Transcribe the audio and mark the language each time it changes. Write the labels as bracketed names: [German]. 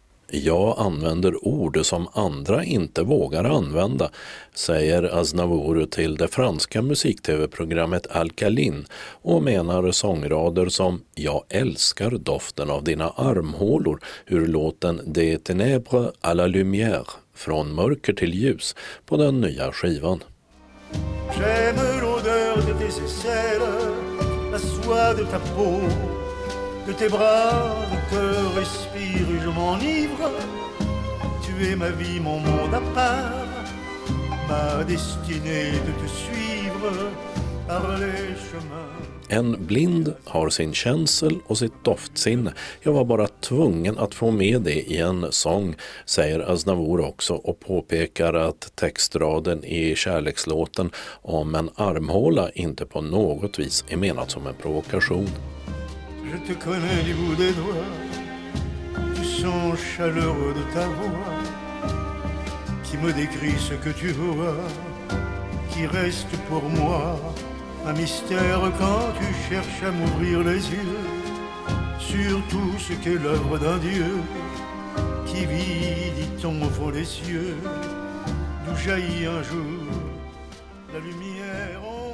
[Swedish] Jag använder ord som andra inte vågar använda, säger Aznavour till det franska musik-tv-programmet Alkaline och menar sångrader som Jag älskar doften av dina armhålor, hur låten Des ténèbres à la lumière, från mörker till ljus, på den nya skivan. [French] J'aime l'odeur de tes aisselles, la soie de ta peau. De tes bras, de te respire, je m'enivre. Tu es ma vie, mon monde à part, ma destinée de te suivre par les chemins. [Swedish] En blind har sin känsel och sitt doftsinne. Jag var bara tvungen att få med det i en sång, säger Aznavour också och påpekar att textraden i kärlekslåten om en armhåla inte på något vis är menat som en provokation. [French] Je te connais du bout des doigts, du son chaleureux de ta voix, qui me décrit ce que tu vois, qui reste pour moi un mystère quand tu cherches à m'ouvrir les yeux sur tout ce qu'est l'œuvre d'un Dieu qui vit, dit-on, au fond des cieux, d'où jaillit un jour la lumière.